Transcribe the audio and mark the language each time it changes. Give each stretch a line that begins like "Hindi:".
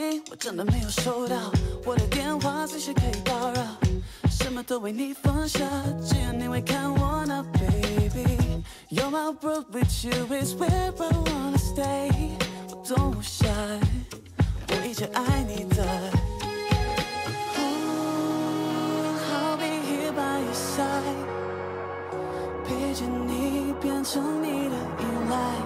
Chinese: 我真的没有收到，我的电话随时可以打扰，什么都为你放下，只要你会看我那 baby。
English: You're my world with you is where I wanna stay。
Chinese: 我
English: don't shy，
Chinese: 我一直爱你的。
English: Ooh, I'll be here by your side，
Chinese: 陪着你变成你的依赖。